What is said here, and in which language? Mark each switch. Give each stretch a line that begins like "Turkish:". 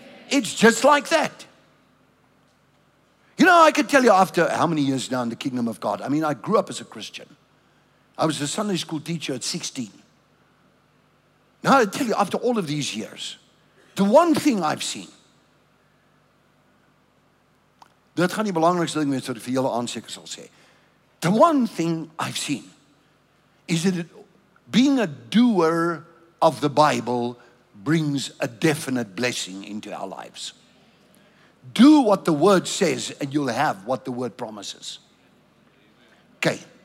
English: It's just like that. You know, I could tell you after how many years now in the kingdom of God. I mean, I grew up as a Christian. I was a Sunday school teacher at 16. Now, I tell you, after all of these years, the one thing I've seen.
Afrikaans: Dit gaan die belangrikste ding wees wat vir julle aanseker sal sê.
English: The one thing I've seen is that being a doer of the Bible brings a definite blessing into our lives. Do what the Word says and you'll have what the Word promises. Okay.